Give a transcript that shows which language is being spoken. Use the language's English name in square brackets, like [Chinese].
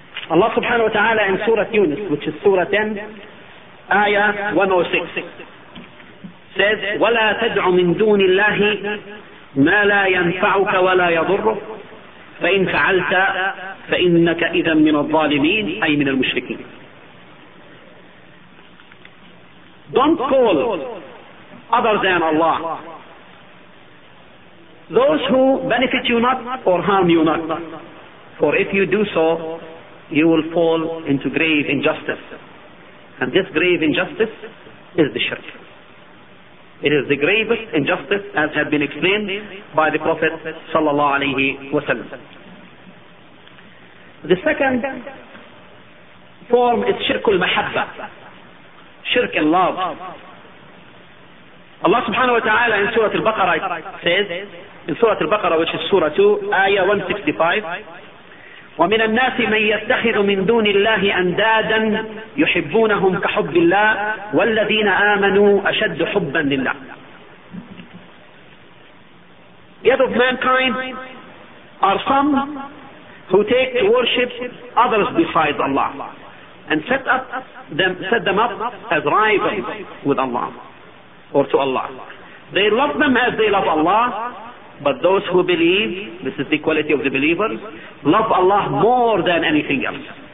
[English] Allah subhanahu wa ta'ala in Surah Yunus, which is Surah 10, Ayah 106, says, [Arabic] وَلَا تَدْعُ مِن دُونِ اللَّهِ مَا لَا يَنْفَعُكَ وَلَا يَضُرُّكَ فَإِنْ فَعَلْتَ فَإِنَّكَ إِذًا مِنَ الظَّالِمِينَ أي من المشركين. [English] Don't call other than Allah those who benefit you not or harm you not. For if you do so, you will fall into grave injustice. And this grave injustice is the shirk. It is the gravest injustice, as had been explained by the Prophet sallallahu alayhi wa sallam. The second form is shirk al-mahabba, shirk in love. Allah subhanahu wa ta'ala in Surah Al-Baqarah says, in Surah Al-Baqarah, which is Surah 2, Ayah 165, [Arabic] وَمِنَ النَّاسِ مَنْ يَتَّخِذُ مِنْ دُونِ اللَّهِ أَنْدَادًا يُحِبُّونَهُمْ كَحُبِّ اللَّهِ وَالَّذِينَ آمَنُوا أَشَدُّ حُبًّا لِلَّهِ. [English] Yet of mankind are some who take to worship others besides Allah and set them up as rivals with Allah. Or to Allah. They love them as they love Allah, but those who believe, this is the quality of the believers, love Allah more than anything else.